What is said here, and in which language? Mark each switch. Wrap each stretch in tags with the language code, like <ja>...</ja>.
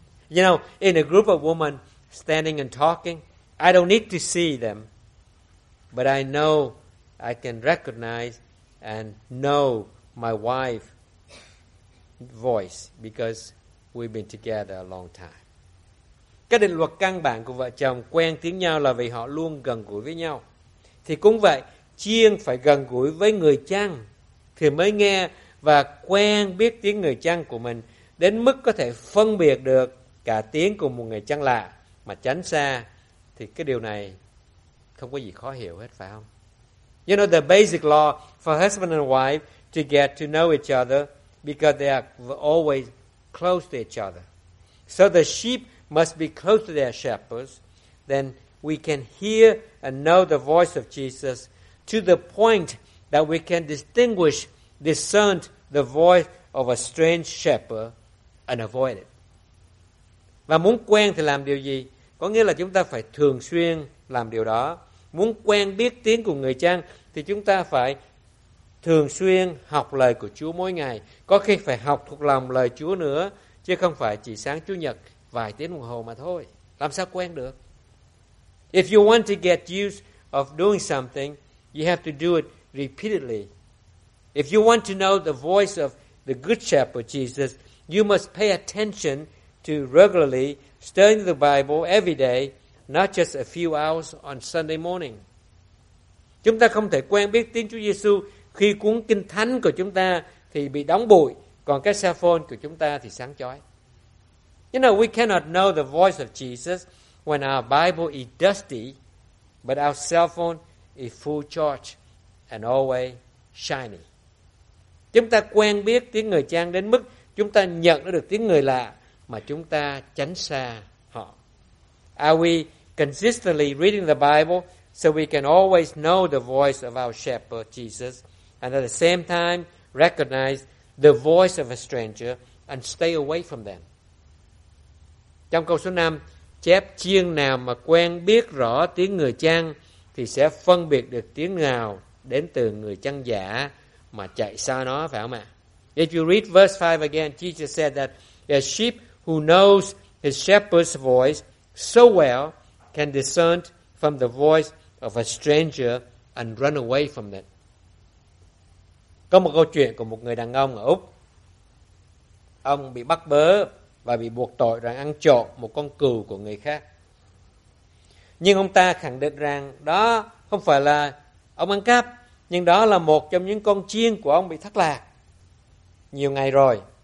<en>You know, in a group of women standing and talking, I don't need to see them, but I know I can recognize and know my wife's voice because we've been together a long time.</en> <vi>Cái định luật căn bản của vợ chồng quen tiếng nhau là vì họ luôn gần gũi với nhau. Thì cũng vậy, chiên phải gần gũi với người chăn thì mới nghe và quen biết tiếng người chăn của mình đến mức có thể phân biệt được cả tiếng của một người chăn lạ mà tránh xa, thì cái điều này không có gì khó hiểu hết, phải không?</vi> <en>You know the basic law for husband and wife to get to know each other because they are always close to each other. So the sheep must be close to their shepherds, then we can hear and know the voice of Jesus to the point that we can distinguish, discern the voice of a strange shepherd and avoid it.</en> <vi>Và muốn quen thì làm điều gì? Có nghĩa là chúng ta phải thường xuyên làm điều đó. Muốn quen biết tiếng của người chăn thì chúng ta phải thường xuyên học lời của Chúa mỗi ngày. Có khi phải học thuộc lòng lời Chúa nữa, chứ không phải chỉ sáng Chủ nhật vài tiếng đồng hồ mà thôi. Làm sao quen được?</vi> <en>If you want to get used of doing something, you have to do it repeatedly. If you want to know the voice of the good shepherd Jesus, you must pay attention to regularly studying the Bible every day, not just a few hours on Sunday morning.</en> <vi>Chúng ta không thể quen biết tiếng Chúa Giêsu khi cuốn kinh thánh của chúng ta thì bị đóng bụi, còn cái cell phone của chúng ta thì sáng chói.</vi> <en>You know, we cannot know the voice of Jesus when our Bible is dusty, but our cell phone is full charge and always shiny.</en> <vi>Chúng ta quen biết tiếng người chăn đến mức chúng ta nhận được tiếng người lạ mà chúng ta tránh xa họ.</vi> <en>Are we consistently reading the Bible so we can always know the voice of our shepherd Jesus and at the same time recognize the voice of a stranger and stay away from them?</en> <vi>Trong câu số 5, chép chiên nào mà quen biết rõ tiếng người chăn thì sẽ phân biệt được tiếng nào đến từ người chăn giả mà chạy xa nó, phải không ạ?</vi> <en>If you read verse 5 again, Jesus said that a sheep who knows his shepherd's voice so well can discern from the voice of a stranger and run away from it.</en> <vi>Có một câu chuyện của một người đàn ông ở Úc. Ông bị bắt bớ và bị buộc tội rằng ăn trộm một con cừu của người khác. Nhưng ông ta khẳng định rằng đó không phải là ông ăn cắp, nhưng đó là một trong những con chiên của ông bị thất lạc nhiều ngày rồi.</vi>